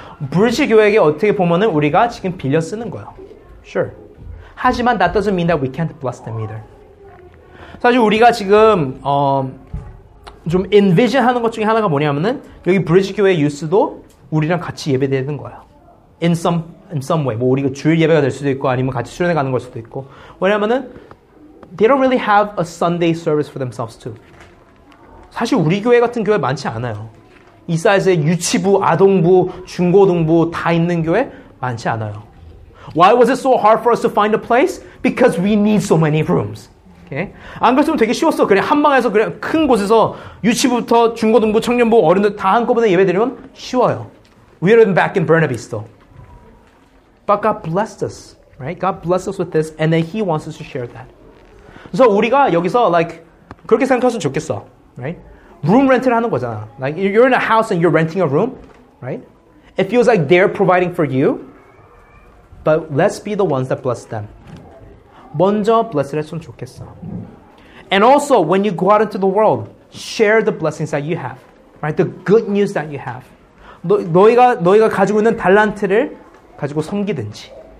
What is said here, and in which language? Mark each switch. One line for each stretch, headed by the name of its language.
Korean: 브릿지 교회에게 어떻게 보면은 우리가 지금 빌려 쓰는 거야.
English: Sure.
Korean: 하지만
English: that doesn't mean that we can't bless them either.
Korean: 사실 우리가 지금 좀 envision 하는 것 중에 하나가 뭐냐면은 여기 브릿지 교회 유스도 우리랑 같이 예배되는 거야.
English: In some way.
Korean: 뭐 우리가 주일 예배가 될 수도 있고 아니면 같이 수련회 가는 걸 수도 있고. 왜냐면은
English: they don't really have a Sunday service for themselves too.
Korean: 사실 우리 교회 같은 교회 많지 않아요. 이 사이즈에 유치부, 아동부, 중고등부 다 있는 교회 많지 않아요.
English: Why was it so hard for us to find a place? Because we need so many rooms. Okay?
Korean: 안 그랬으면 되게 쉬웠어. 그래 한 방에서 그래 큰 곳에서 유치부부터 중고등부, 청년부, 어른들 다 한꺼번에 예배드리면 쉬워요.
English: We are back in Burnaby still. But God blessed us, right? God blessed us with this, and then He wants us to share that. So
Korean: 우리가 여기서
English: like
Korean: 그렇게 생각하셨으면 좋겠어,
English: right?
Korean: Room rent를 하는 거잖아.
English: Like you're in a house and you're renting a room, right? It feels like they're providing for you. But let's be the ones that bless them.
Korean: 먼저
English: blessed
Korean: 했으면 좋겠어.
English: And also, when you go out into the world, share the blessings that you have, right? The good news that you have.
Korean: 너희가 가지고 있는 달란트를 가지고 섬기든지.